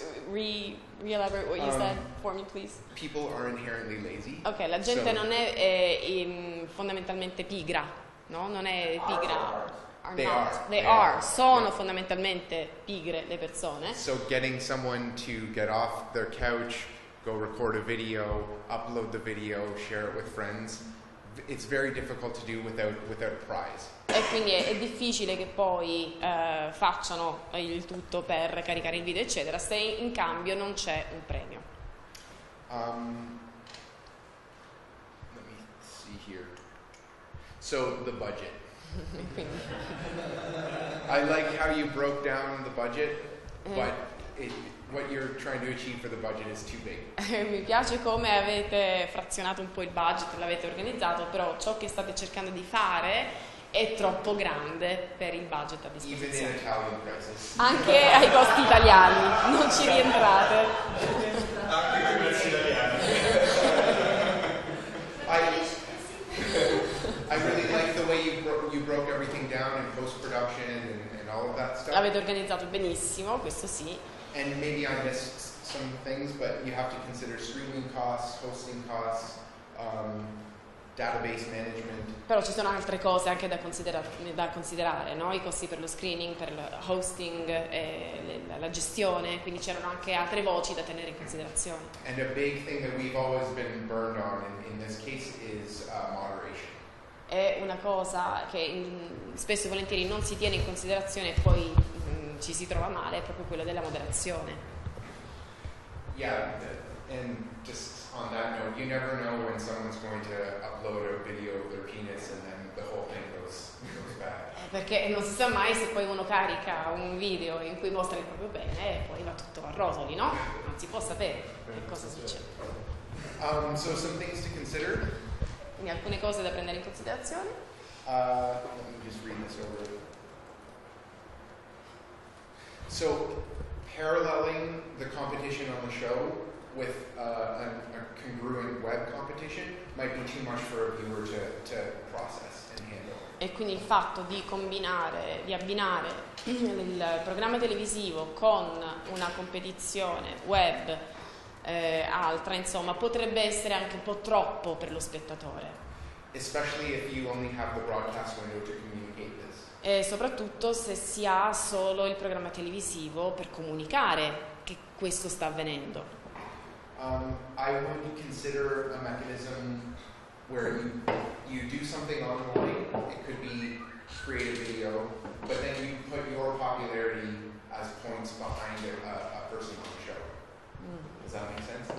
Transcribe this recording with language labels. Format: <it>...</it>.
<en>Re-elaborate what you said for me, please. People are inherently lazy.</en> <it>Okay, la gente non è fondamentalmente pigra, no? Non è pigra.</it> <en>They are</en> <it>fondamentalmente pigre, le persone.</it> <en>So getting someone to get off their couch, go record a video, upload the video, share it with friends, it's very difficult to do without a prize.</en> <it>E quindi è difficile che poi facciano il tutto per caricare il video, eccetera, se in cambio non c'è un premio.</it> <en>Let me see here. So the budget. I like how you broke down the budget, but what you're trying to achieve for the budget is too big.</en> <it>Mi piace come avete frazionato un po' il budget, l'avete organizzato, però ciò che state cercando di fare è troppo grande per il budget a disposizione.</it> <en>Even in Italian prices.</en> <it>Anche ai costi italiani, non ci rientrate. Anche ai costi italiani.</it> <en>I really like the way you broke everything down in post-production and all of that stuff.</en> <it>L'avete organizzato benissimo, questo sì.</it> <en>And maybe I missed some things, but you have to consider streaming costs, hosting costs, database management.</en> <it>Però ci sono altre cose anche da considerare, no? I costi per lo screening, per il hosting, la gestione, quindi c'erano anche altre voci da tenere in considerazione.</it> <en>And a big thing that we've always been burned on in this case is moderation.</en> <it>È una cosa che spesso e volentieri non si tiene in considerazione e poi ci si trova male, è proprio quella della moderazione.</it> <en>Yeah, and just on that note, you never know when someone's going to upload a video of their penis and then the whole thing goes bad.</en> <it>Perché non si sa mai se poi uno carica un video in cui mostra il proprio pene e poi va tutto a rotoli, no? Non si può sapere che cosa succede.</it> <en>So some things to consider.</en> <it>Quindi alcune cose da prendere in considerazione.</it> <en>Let me just read this over. So, paralleling the competition on the show with a congruent web competition might be too much for a viewer to process and handle.</en> <it>E quindi il fatto di combinare, di abbinare il programma televisivo con una competizione web altra, insomma, potrebbe essere anche un po' troppo per lo spettatore.</it> <en>Especially if you only have the broadcast window to communicate this.</en> <it>E soprattutto se si ha solo il programma televisivo per comunicare che questo sta avvenendo.</it> <en>I would consider a mechanism where you do something online, it could be create a video, but then you put your popularity as points behind a person on the show. Does that make sense?</en>